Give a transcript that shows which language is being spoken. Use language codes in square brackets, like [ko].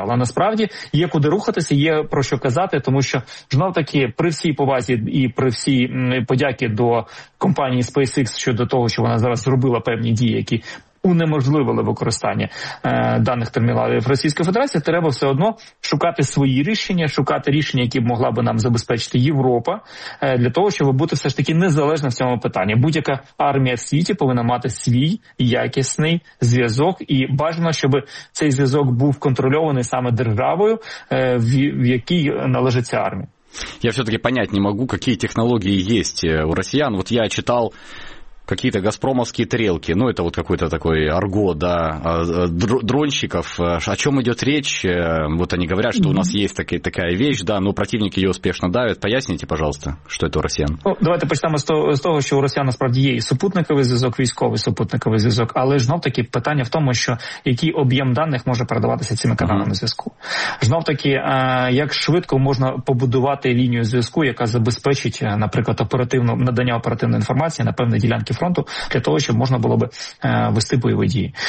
[uk] Але насправді є куди рухатися, є про що казати, тому що, знову таки, при всій повазі і при всій подяки до компанії SpaceX щодо того, що вона зараз зробила певні дії, які унеможливили використання даних терміналів Російської Федерації, треба все одно шукати свої рішення, шукати рішення, які б могла би нам забезпечити Європа, для того, щоб бути все ж таки незалежним в цьому питанні. Будь-яка армія в світі повинна мати свій якісний зв'язок, і бажано, щоб цей зв'язок був контрольований саме державою, в якій належить ця армія. [ru] Я все-таки понять не могу, какие технологии есть у россиян. Вот я читал какие-то газпромовские тарелки, ну, это вот какой-то такой арго, да, дронщиков. О чем идет речь? Вот они говорят, что у нас есть такая вещь, да, но противник ее успешно давит. Поясните, пожалуйста, что это у россиян. [uk] Ну, давайте почнемо [ru] с того, что у россиян, [uk] насправді, є супутниковий зв'язок, військовий супутниковий зв'язок, але знов-таки питання в тому, що який об'єм даних може передаватися цими каналами зв'язку. Знов-таки, як швидко можна побудувати лінію зв'язку, яка забезпечить, наприклад, оперативну надання оперативної інформації на певній ділянці фронту, для того, щоб можна було би вести бойові дії.